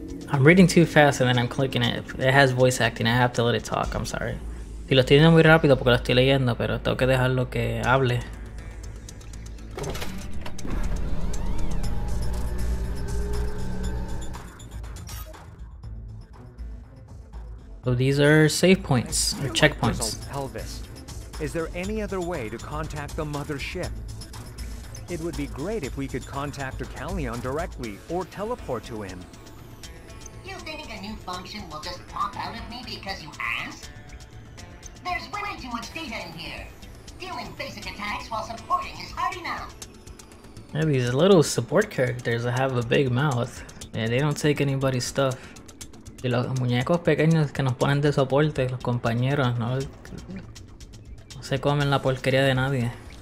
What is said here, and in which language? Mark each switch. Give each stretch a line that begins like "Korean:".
English: I'm reading too fast and then I'm clicking it. It has voice acting. I have to let it talk. I'm sorry.
Spanish: Si lo estoy leyendo muy rápido porque lo estoy leyendo, pero tengo que dejarlo que hable.
English: So these are save points or checkpoints. Elvis, is there any other way to contact the mothership? It would be great if we could contact Acalion directly or teleport to him. You think a new function will just pop out of me because you asked? There's way too much data in here. Dealing basic attacks while supporting is hard enough. Yeah, these little support characters that have a big mouth, and yeah, they don't take anybody's stuff.
Spanish: Y los muñecos pequeños que nos ponen de soporte, los compañeros, no, no se comen la porquería de nadie.